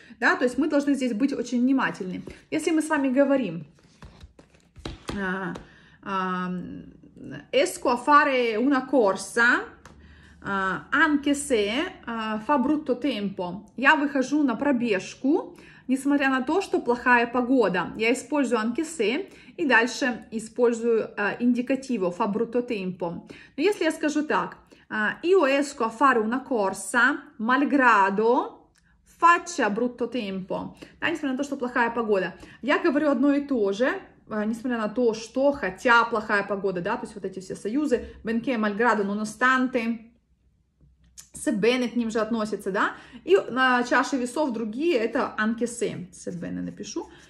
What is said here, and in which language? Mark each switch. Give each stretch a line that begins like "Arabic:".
Russian: Да, то есть мы должны здесь быть очень внимательны. Если мы с вами говорим
Italian: «esco a fare una corsa, anche se fa brutto tempo»,
Russian: «я выхожу на пробежку, несмотря на то, что плохая погода», я использую «anche se» и дальше использую индикативо
Italian: «fa brutto tempo».
Russian: Но если я скажу так,
Italian: Io esco a fare una corsa, malgрado faccia brutto tempo,
Russian: да, несмотря на то, что плохая погода. Я говорю одно и то же, несмотря на то, что хотя плохая погода, да, то есть вот эти все союзы, benché, malgrado, nonostante, sebbene к ним же относятся, да, и на чаше весов другие, это anche se, sebbene напишу.